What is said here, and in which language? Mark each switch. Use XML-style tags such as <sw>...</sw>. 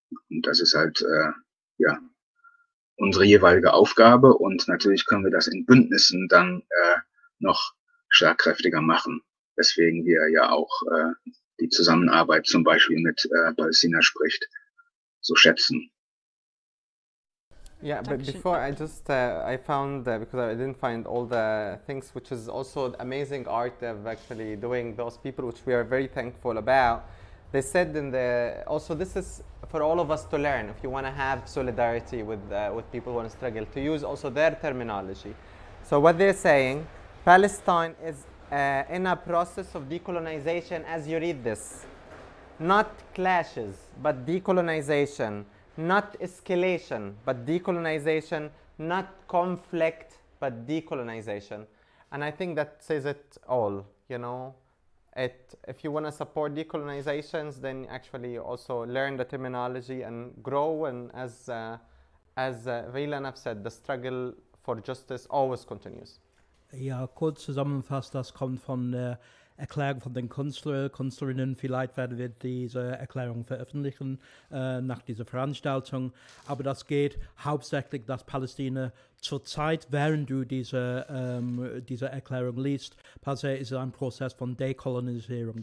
<de>Und das ist halt unsere jeweilige Aufgabe. Und natürlich können wir das in Bündnissen dann noch schlagkräftiger machen. Deswegen wir ja auch die Zusammenarbeit zum Beispiel mit Palästina spricht, so schätzen.</de> <en>Yeah, but before I just I found because I didn't find all the things, which is also the amazing art of actually doing those people, which we are very thankful about. They said in the also this is f- for all of us to learn, if you want to have solidarity with people who want to struggle, to use also their terminology. So what they're saying, Palestine is in a process of decolonization as you read this. Not clashes, but decolonization. Not escalation, but decolonization. Not conflict, but decolonization. And I think that says it all, you know. If you want to support decolonizations, then actually also learn the terminology and grow. And as Vilanov said, the struggle for justice always continues.</en> <de>Ja, kurz zusammengefasst, das kommt von der Erklärung von den Künstlerinnen. Vielleicht werden wir diese Erklärung veröffentlichen nach dieser Veranstaltung. Aber das geht hauptsächlich, dass Palästina zurzeit, während du diese Erklärung liest, passiert, ist ein Prozess von Dekolonisierung.</de>